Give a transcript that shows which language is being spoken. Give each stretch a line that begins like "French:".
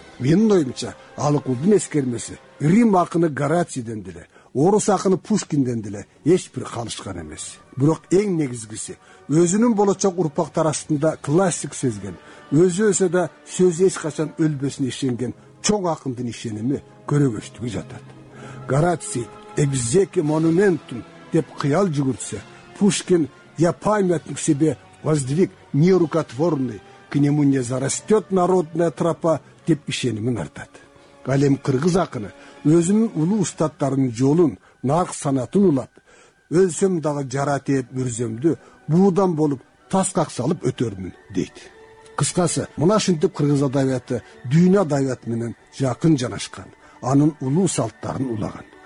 Kyrgyz: Менин оюмча Алыкулдун эскермеси Рим акыны Гарацийден деле, орус акыны Пушкинден деле эч бир калышкан эмес. Бирок эң негизгиси өзүнүн болочок урпактар арасында классик сезген, өзү өлсө да сөзү эч качан өлбөсүнө ишенген чоң акындын ишеними көрөгөчтүгү жатат. Гараций экзеки монументум деп кыял жүгүртсө, Пушкин
Russian: я памятник себе воздвиг нерукотворный, к нему не зарастет народная тропа
Kyrgyz: деп ишенимин артат. Ал эми кыргыз акыны өзүнүн улуу устаттарынын жолун, нарк санатын улап, өлсөм дагы жара тиеп мүрзөмдү, буудан болуп таскак салып өтөрмүн дейт. Кыскасы, мына ушинтип кыргыз адабияты дүйнө адабияты менен жакын жанашкан, анын улуу салттарын улаган.